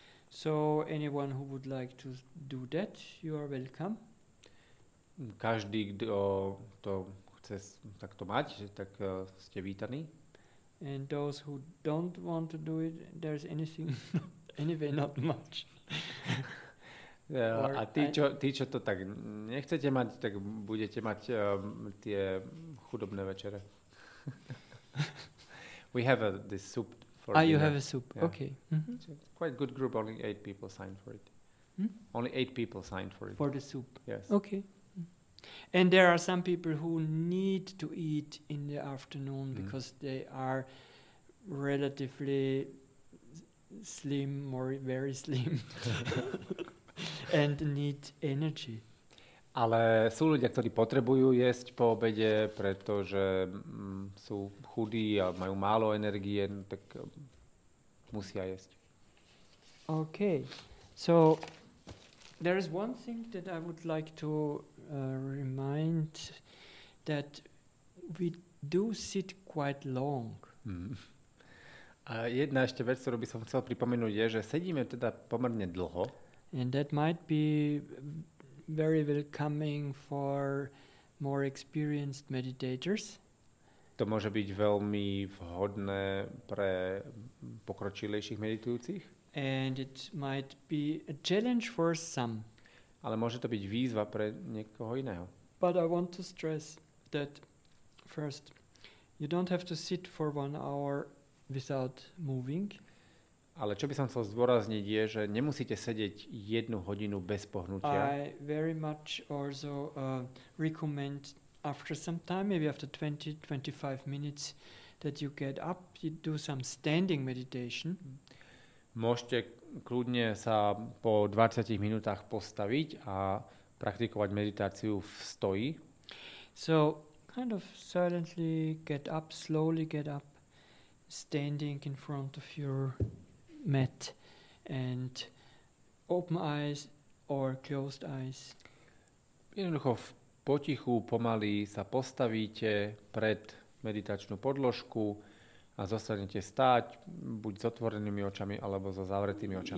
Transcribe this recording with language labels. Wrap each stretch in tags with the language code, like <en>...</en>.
<en>So anyone who would like to do that, you are welcome.</en> <sk>Každý, kto to chce takto mať, tak ste vítaní.</sk> <en>And those who don't want to do it, there's anything anyway not much.</en> <sk>A tí, čo to tak nechcete mať, tak budete mať tie chudobné večere.</sk> <en>We have this soup for dinner. You have a soup. Yeah. Okay. Mm-hmm. Quite good group, only 8 people signed for it. Hmm? Only 8 people signed for it. For the soup. Yes. Okay. And there are some people who need to eat in the afternoon because they are relatively slim or very slim. And need energy.</en> <sk>Ale sú ľudia, ktorí potrebujú jesť po obede, pretože sú chudí a majú málo energie, tak musia jesť.</sk> <en>Okay. So there is one thing that I would like to remind, that we do sit quite long.</en> <sk>A jedna ešte vec, ktorú by som chcel pripomenúť, je, že sedíme teda pomerne dlho.</sk> <en>And that might be very welcoming for more experienced meditators.</en> <sk>To môže byť veľmi vhodné pre pokročilejších meditujúcich.</sk> <en>And it might be a challenge for some.</en> <sk>Ale môže to byť výzva pre niekoho iného.</sk> <en>But I want to stress that first, you don't have to sit for 1 hour without moving.</en> <sk>Ale čo by som chcel zdôrazniť je, že nemusíte sedieť 1 hodinu bez pohnutia.</sk> <en>I very much also recommend after some time, maybe after 20-25 minutes, that you get up, you do some standing meditation.</en> <sk>Môžete kľudne sa po 20 minútach postaviť a praktikovať meditáciu v stoji.</sk> <en>So kind of silently get up, slowly get up, standing in front of your mat and open eyes or closed eyes.</en> <sk>Jednoducho v potichu pomaly sa postavíte pred meditačnú podložku a zostanete stáť buď s otvorenými očami alebo so zavretými očami.</sk>